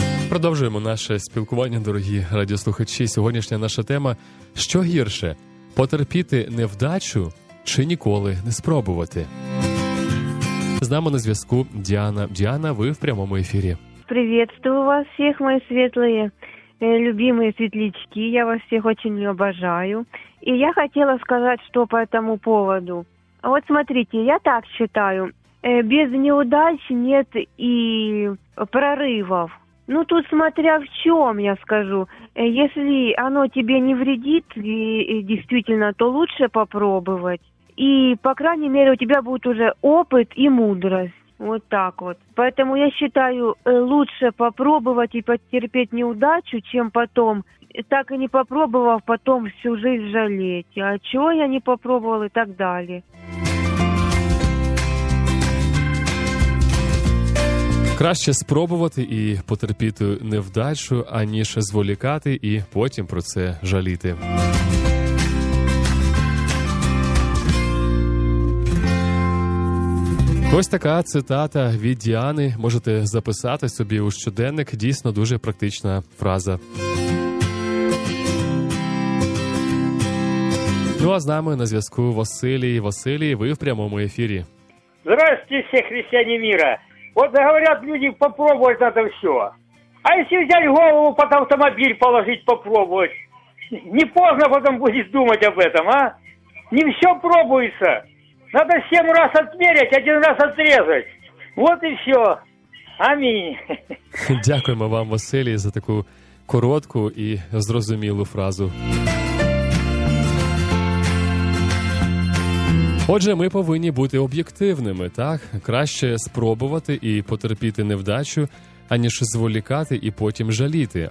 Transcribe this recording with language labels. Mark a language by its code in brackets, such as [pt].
[uk] Продовжуємо наше спілкування, дорогі радіослухачі. Сьогоднішня наша тема: що гірше, потерпіти невдачу чи ніколи не спробувати? З нами на зв'язку Діана. Діана, ви в прямому ефірі. [ru] Приветствую вас всех, мои светлые, любимые светлячки. Я вас всех очень обожаю. И я хотела сказать, что по этому поводу. Вот смотрите, я так считаю. Без неудач нет и прорывов. Ну, тут смотря в чем, я скажу. Если оно тебе не вредит, и действительно, то лучше попробовать. И, по крайней мере, у тебя будет уже опыт и мудрость. Вот так вот. Поэтому я считаю, лучше попробовать и потерпеть неудачу, чем потом, так и не попробовав, потом всю жизнь жалеть. А чего я не попробовал и так далее. [uk] Краще спробувати і потерпіти невдачу, аніж зволікати і потім про це жаліти. Ось така цитата від Діани. Можете записати собі у щоденник. Дійсно, дуже практична фраза. Ну, а з нами на зв'язку Василій. Василій, ви в прямому ефірі. Здравствуйте, всі християни мира. От говорять люди, попробувати треба все. А якщо взяти голову під автомобіль, положити, попробувати? Не поздно потім будеш думати [ru] об этом, [uk] а? Не все пробується. [ru] Надо 7 раз отмерять, 1 раз отрезать. Вот и все. Аминь. [uk] Дякуємо вам, Василій, за таку коротку і зрозумілу фразу. Отже, ми повинні бути об'єктивними, так? Краще спробувати і потерпіти невдачу, аніж зволікати і потім жаліти.